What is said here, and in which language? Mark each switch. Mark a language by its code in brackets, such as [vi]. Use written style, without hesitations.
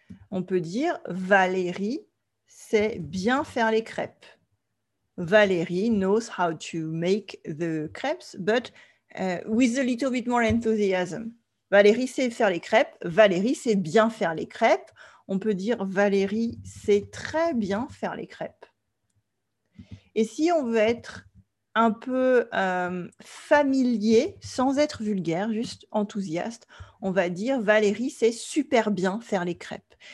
[fr] On peut dire Valérie sait bien faire les crêpes. [en] Valérie knows how to make the crepes, but with a little bit more enthusiasm. [fr] Valérie sait faire les crêpes. Valérie sait bien faire les crêpes. On peut dire Valérie sait très bien faire les crêpes. Et si on veut être un peu familier, sans être vulgaire, juste enthousiaste, on va dire Valérie sait super bien faire les crêpes.